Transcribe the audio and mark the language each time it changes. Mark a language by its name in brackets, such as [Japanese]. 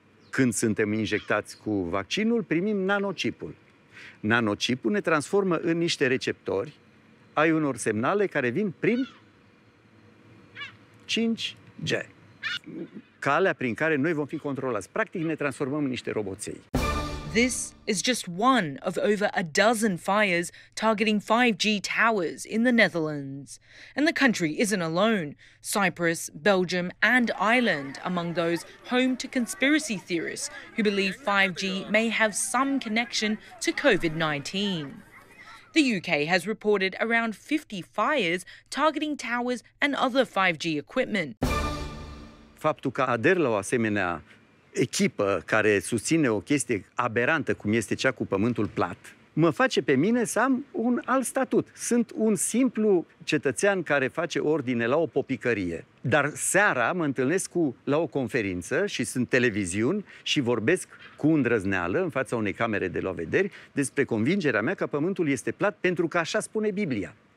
[Romanian] Când suntem injectați cu vaccinul, primim nanocipul. Nanocipul ne transformă în niște receptori ai unor semnale care vin prin 5G. Calea prin care noi vom fi controlați. Practic ne transformăm în niște roboței. [English] This is just one of over a dozen fires targeting 5G towers in the Netherlands. And the country isn't alone. Cyprus, Belgium and Ireland among those home to conspiracy theorists who believe 5G may have some connection to COVID-19. The UK has reported around 50 fires targeting towers and other 5G equipment. [Romanian] Faptul că ader la o asemenea echipă care susține o chestie aberantă, cum este cea cu pământul plat, mă face pe mine să am un alt statut. Sunt un simplu cetățean care face ordine la o popicărie. Dar seara mă întâlnesc la o conferință și sunt televiziuni și vorbesc cu îndrăzneală în fața unei camere de la vederi despre convingerea mea că pământul este plat pentru că așa spune Biblia.